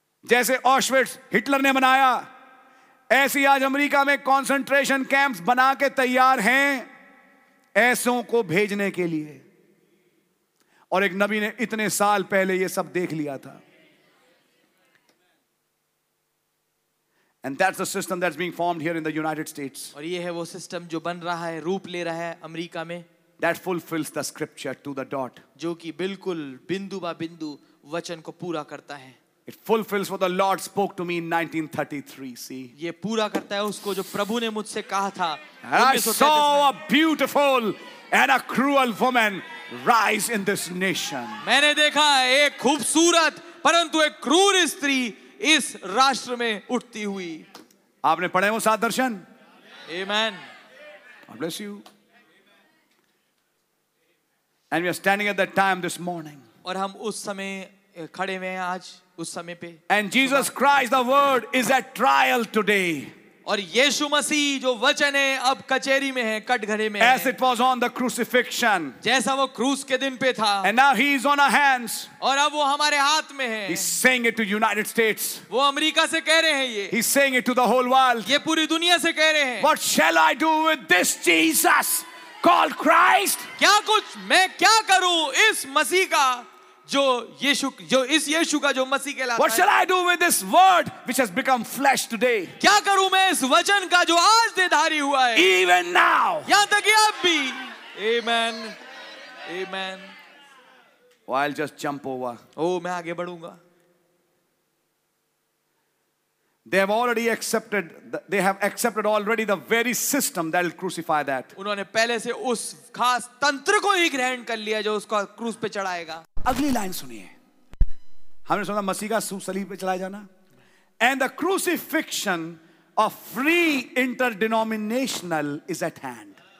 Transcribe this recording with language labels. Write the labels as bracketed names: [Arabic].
[Hindi] जैसे Auschwitz Hitler ने बनाया, ऐसी आज अमेरिका में कॉन्सेंट्रेशन कैंप्स बना के तैयार हैं ऐसों को भेजने के लिए. और एक नबी ने इतने साल पहले यह सब देख लिया था. [English] And that's the system that's being formed here in the United States. [Hindi] और ये है वो सिस्टम जो बन रहा है, रूप ले रहा है अमेरिका में. [English] That fulfills the scripture to the dot. [Hindi] जो कि बिल्कुल बिंदु बा बिंदु वचन को पूरा करता है. [English] It fulfills what the Lord spoke to me in 1933. See. [Hindi] ये पूरा करता है उसको जो प्रभु ने मुझसे कहा था. [English] I saw a beautiful and a cruel woman rise in this nation. [Hindi] मैंने देखा एक खूबसूरत परंतु एक क्रूर स्त्री इस राष्ट्र में उठती हुई. आपने पढ़े वो सात दर्शन? [English] Amen. God bless you. And we are standing at that time this morning. [Hindi] और हम उस समय खड़े हुए हैं आज उस समय पे. [English] And Jesus Christ, the Word, is at trial today. [Hindi] और यीशु मसीह जो वचन है अब कचहरी में है, कटघरे में. [English] As it was on the crucifixion. [Hindi] जैसा वो क्रूस के दिन पे था. [English] And now he is on our hands. [Hindi] और अब वो हमारे हाथ में है. [English] He's saying it to United States. [Hindi] वो अमेरिका से कह रहे हैं ये. [English] He's saying it to the whole world. [Hindi] ये पूरी दुनिया से कह रहे हैं. [English] What shall I do with this Jesus called Christ? [Hindi] क्या कुछ मैं क्या करूं इस मसीह का जो यीशु, जो इस यीशु का जो मसीह कहलाता है. [English] What shall I do with this word which has become flesh today? [Hindi] क्या करूं मैं इस वचन का जो आज देहधारी हुआ है. [English] Even now. [Hindi] यहां तक कि अब भी. [English] Amen. Amen. Well, I'll just jump over. [Hindi] Oh, मैं आगे बढ़ूंगा. [English] They have already accepted. They have accepted already the very system that will crucify that. [Hindi] उन्होंने पहले से उस खास तंत्र को ही ग्रहण कर लिया जो उसको क्रूस पे चढ़ाएगा. अगली लाइन सुनिए. हमने सुना मसीह का सलीब पे चलाया जाना. [English] And the crucifixion of free interdenominational is at hand.